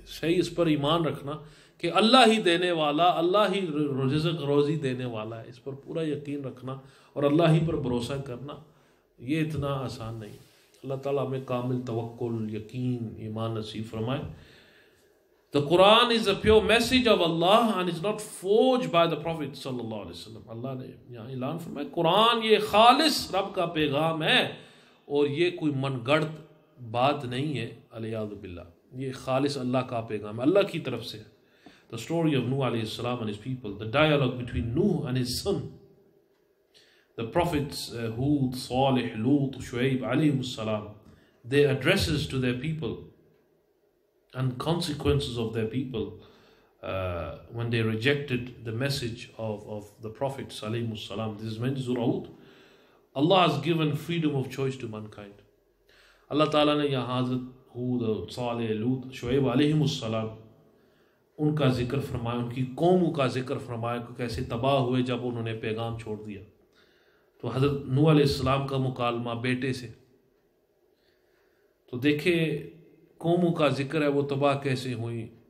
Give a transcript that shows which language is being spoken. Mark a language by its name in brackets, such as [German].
[Urdu] Sahi is par iman rakhna کہ اللہ ہی دینے والا, اللہ ہی رزق روزی دینے والا ہے, اس پر پورا یقین رکھنا اور اللہ ہی پر بھروسہ کرنا یہ اتنا آسان نہیں. اللہ تعالیٰ ہمیں کامل توکل, یقین, ایمان نصیب فرمائے. [English] The Quran is a pure message of Allah and is not forged by the Prophet صلی اللہ علیہ وسلم. [Urdu] اللہ نے یہاں اعلان فرمائے قرآن یہ خالص رب کا پیغام ہے اور یہ کوئی من گھڑت بات نہیں ہے, علیہ باللہ یہ خالص اللہ کا پیغام ہے, اللہ کی طرف سے ہے. [English] The story of Nuh alayhi salam and his people, the dialogue between Nuh and his son, the prophets Hud, Salih, Lut, Shu'aib alayhi salam, their addresses to their people and consequences of their people when they rejected the message of the Prophet alayhi salam. This is mentioned in Surah Hud. Allah has given freedom of choice to mankind. [Urdu] Allah ta'ala ne yahan Hazrat Hud, Salih, Lut, Shu'aib alayhi salam, ان کا ذکر فرمایا, ان کی قوموں کا ذکر فرمایا کہ کیسے تباہ ہوئے جب انہوں نے پیغام چھوڑ دیا. تو حضرت نوح علیہ السلام کا مکالمہ بیٹے سے, تو دیکھے قوموں کا ذکر ہے وہ تباہ کیسے ہوئی.